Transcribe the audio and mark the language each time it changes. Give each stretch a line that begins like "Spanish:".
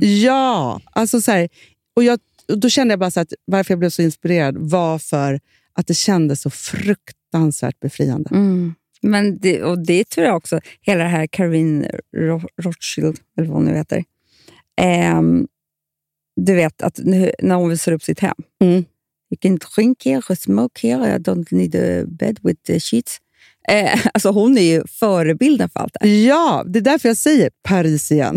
Swedish: Ja, alltså så här, och då kände jag bara så att varför jag blev så inspirerad var för att det kändes så fruktansvärt befriande. Mm. Men det, och det tror jag också, hela det här Karin Rothschild, eller vad hon heter. Du vet att nu, när hon visar upp sitt hem. Mm.
English: You can drink here, smoke here, I don't need a bed with the sheets.
Swedish: Alltså hon är ju förebilden för allt det. Ja, det är därför jag säger Paris igen.